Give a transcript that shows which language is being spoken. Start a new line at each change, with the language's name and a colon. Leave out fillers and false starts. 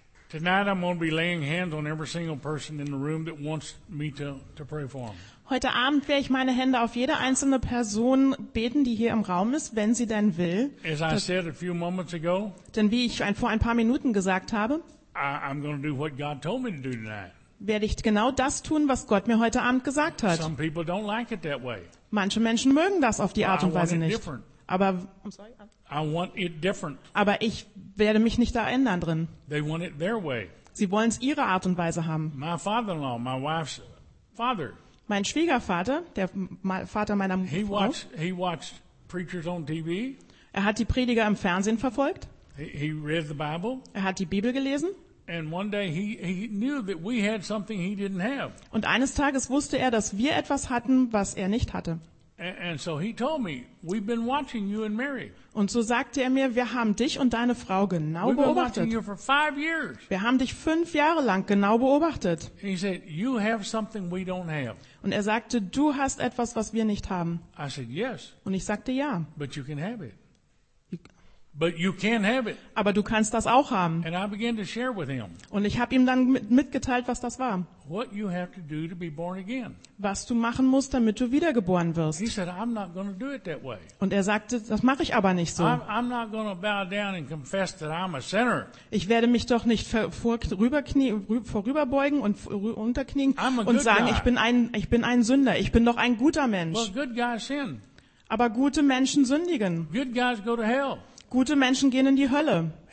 English: Tonight I'm going to be laying hands on every single person in the room that wants me to pray for them.
German: Heute Abend werde ich meine Hände auf jede einzelne Person beten, die hier im Raum ist, wenn sie denn will.
English: As I said a few moments ago,
German: denn wie ich vor ein paar Minuten gesagt habe,
English: I'm going to do what God told me to do tonight.
German: Werde ich genau das tun, was Gott mir heute Abend gesagt hat.
English: Some people don't like it that way.
German: Manche Menschen mögen das auf die Art und Weise nicht.
English: Different.
German: Aber,
English: I want it different.
German: Aber ich werde mich nicht da ändern drin.
English: They want it their way.
German: Sie wollen es ihre Art und Weise haben.
English: My father-in-law, my wife's father.
German: Mein Schwiegervater, der Vater meiner Frau,
English: he watched preachers on TV.
German: Er hat die Prediger im Fernsehen verfolgt.
English: He read the Bible.
German: Er hat die Bibel gelesen.
English: And one day he knew that we had something he didn't have.
German: Und eines Tages wusste er, dass wir etwas hatten, was er nicht hatte.
English: And so he told me, we've been watching you and Mary.
German: Und so sagte er mir, wir haben dich und deine Frau genau beobachtet. Wir haben dich 5 Jahre lang genau beobachtet.
English: He said, you have something we don't have.
German: Und er sagte, du hast etwas, was wir nicht haben.
English: I said, yes.
German: Und ich sagte, ja.
English: But you can have it. But you can have it.
German: Aber du kannst das auch haben.
English: And I began to share with him.
German: Und ich habe ihm dann mitgeteilt, was das war.
English: What you have to do to be born again.
German: Was du machen musst, damit du wiedergeboren wirst.
English: He said, I'm not going to do it that way.
German: Und er sagte, das mache ich aber nicht so.
English: I'm not going to bow down and confess that I'm a sinner.
German: Ich werde mich doch nicht vorüberbeugen und unterknien und sagen, ich bin ein Sünder. Ich bin doch ein guter Mensch.
English: Well, good guys sin.
German: Aber gute Menschen sündigen.
English: Good guys go to hell.
German: Gute Menschen gehen in die Hölle.